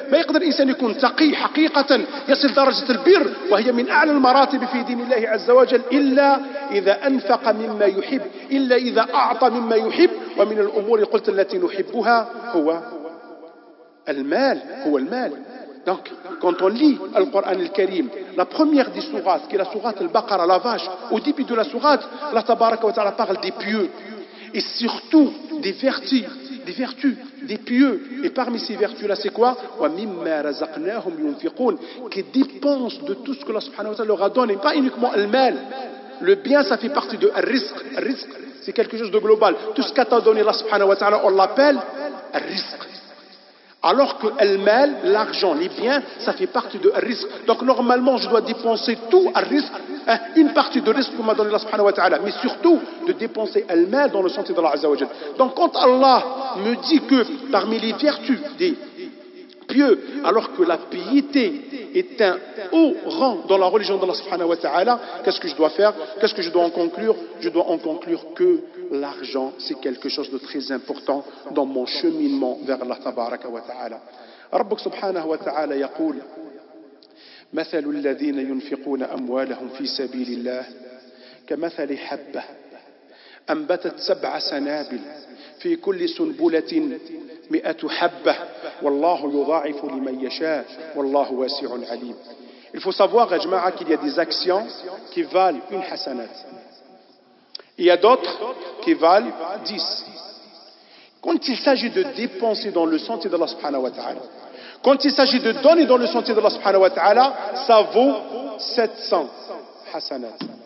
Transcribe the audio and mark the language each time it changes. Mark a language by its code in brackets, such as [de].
[ar] ما يقدر إنسان يكون تقي حقيقة يصل درجة البر وهي من أعلى المراتب في دين الله عز وجل إلا إذا أنفق مما يحب، إلا إذا أعطى مما يحب. ومن الأمور قلت التي نحبها هو المال، هو المال. [fr] Donc, quand on lit le Coran al-Karim, la première des sourates, qui est la sourate al-Baqara, la vache, au début de la sourate, la tabaraka wa ta'ala parle des pieux, et surtout des vertus, des pieux. Et parmi ces vertus-là, c'est quoi ? [ar] Wa mimma razaqnahum yunfiqun, [fr] qui dépense de tout ce que Allah subhanahu wa ta'ala leur a donné, pas uniquement al-mal. Le bien, ça fait partie de al-rizq. Al-rizq, c'est quelque chose de global. Tout ce qu'a t'a donné Allah subhanahu wa ta'ala, on l'appelle al-rizq. Alors que al-mal, l'argent, les biens, ça fait partie de risque. Donc normalement, je dois dépenser tout à risque, hein, une partie de risque que m'a donné Allah subhanahu wa ta'ala, mais surtout de dépenser al-mal dans le sentier d'Allah azza wa jalla. Donc quand Allah me dit que parmi les vertus des pieux, alors que la piété est un haut rang dans la religion d'Allah subhanahu wa ta'ala, qu'est-ce que je dois faire? Qu'est-ce que je dois en conclure? Je dois en conclure que l'argent, c'est quelque chose de très important dans mon cheminement vers Allah tabaraka wa ta'ala. [ar] Rabbuk subhanahu wa ta'ala yaqul مثل الذين ينفقون أموالهم في سبيل الله كمثل حبة أنبتت سبع سنابل في كل سنبلة مئة حبة والله يضاعف لمن يشاء والله واسع عليم. [fr] Il faut savoir, jama'a, qu'il y a des actions qui valent une hasanat. Il y a d'autres qui valent 10. Quand il s'agit de dépenser dans le sentier d'Allah subhanahu wa ta'ala, quand il s'agit de donner dans le sentier d'Allah subhanahu wa ta'ala, ça vaut 700 hasanat.